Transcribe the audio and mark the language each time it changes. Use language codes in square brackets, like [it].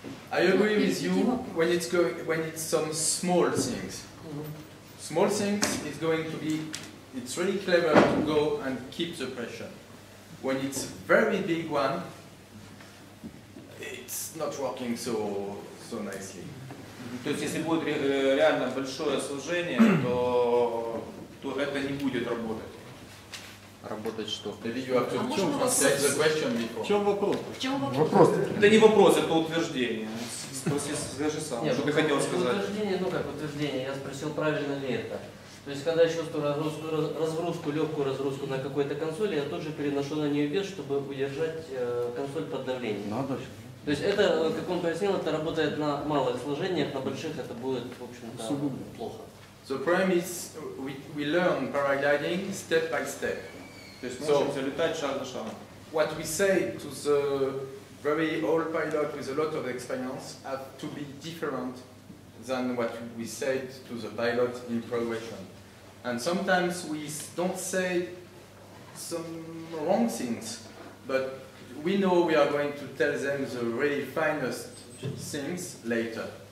[en] I agree with you when it's going, when it's some small things. Small things is going to be, it's really clever to go and keep the pressure. When it's a very big one, it's not working so nicely. [ru] То есть если будет реально большое сложение, то это не будет работать. Работать что? В чем вопрос? Это не вопрос, это утверждение. Скажи сам, что ты хотел сказать. Утверждение, ну как утверждение, я спросил, правильно ли это. То есть, когда я чувствую разгрузку, легкую разгрузку на какой-то консоли, я тут же переношу на нее вес, чтобы удержать консоль под давлением. Надо. То есть, это, как он пояснил, это работает на малых сложениях, на больших это будет, в общем-то, плохо. [en] The problem is, we learn paragliding step by step. [ru] То есть, мы учимся летать шаг за шагом. [en] What we say to the very old pilot with a lot of experience have to be different than what we said to the pilot in progression. And sometimes we don't say some wrong things, but we know we are going to tell them the really finest things later.